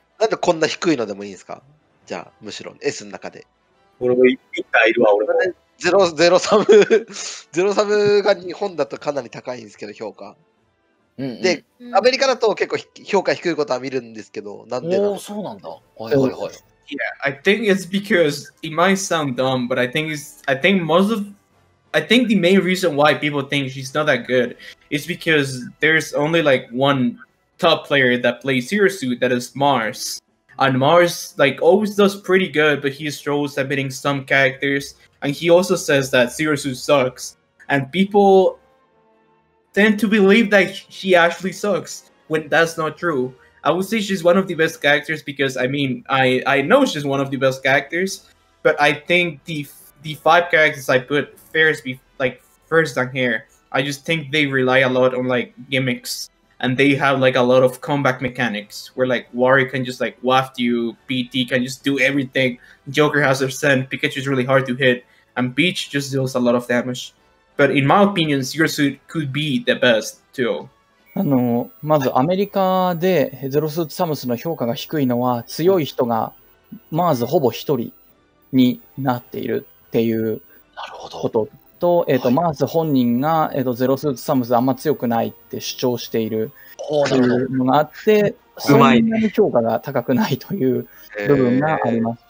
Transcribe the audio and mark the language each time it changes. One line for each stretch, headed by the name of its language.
Japanese: なんでこんな低いのでもいいんですかじゃあむしろ S の中で俺も一体いるわ俺もゼロゼロサムゼロサムが日本だとかなり高いんですけど評価、うんうん、でアメリカだと結構評価低いことは見るんですけどなんでおーそうなんだはいはいはい
English: Yeah, I think it's because it might sound dumb but I think the main reason why people think she's not that good is because there's only like oneTop player that plays Zero Suit, that is Mars. And Mars, like, always does pretty good, but he struggles admitting some characters. And he also says that Zero Suit sucks. And people tend to believe that she actually sucks, when that's not true. I would say she's one of the best characters because, I mean, I know she's one of the best characters, but I think the five characters I put first, like, first on here, I just think they rely a lot on, like, gimmicks. and they have like a lot of combat mechanics where like Wario can just like waft you, BT can just do everything, Joker has their scent, Pikachu is really hard to hit, and Peach just deals a lot of damage. But in my opinion, Zerosuit could be the best too.
Japanese: あのまずアメリカでヘゼロスーツサムスの評価が低いのは強い人がマーズほぼ一人になっているっていうことと、マーズ本人が、ゼロスーツサムスあんま強くないって主張しているというのがあって、そんなに評価が高くないという部分があります。